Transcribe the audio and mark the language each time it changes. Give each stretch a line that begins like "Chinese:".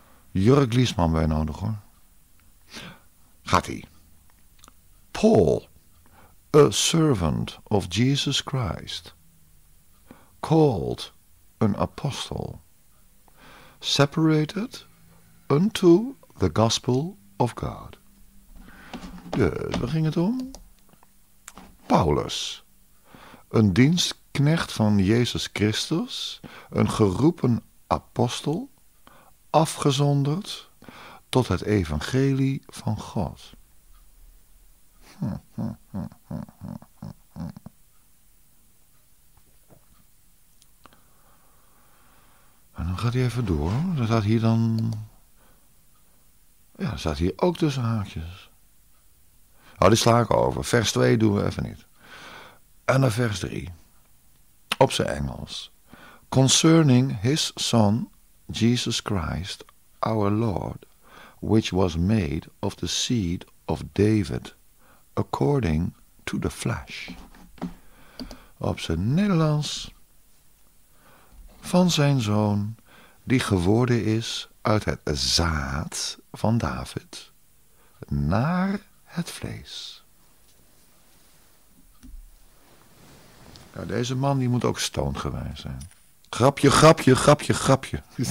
Dutch: Jörg Liesman bij nodig, hoor. Gaat-ie.
English: Paul, a servant of Jesus Christ, called an apostle, separated unto the gospel of God.
Dutch: Dus, waar ging het om? Paulus, een dienstknecht van Jezus Christus, een geroepen apostel, afgezonderd tot het evangelie van God. En dan gaat hij even door. Er staat hier dan. Ja, er staat hier ook tussen haakjes. Nou, die sla ik over. Vers 2 doen we even niet. En dan vers 3. Op zijn Engels.
English: Concerning his son, Jesus Christ, our Lord, which was made of the seed of David, according to the flesh.
Dutch: Op zijn Nederlands. Van zijn zoon, die geworden is uit het zaad van David, naar het vlees. Ja, deze man die moet ook stoon geweest zijn. Grapje, grapje, grapje, grapje.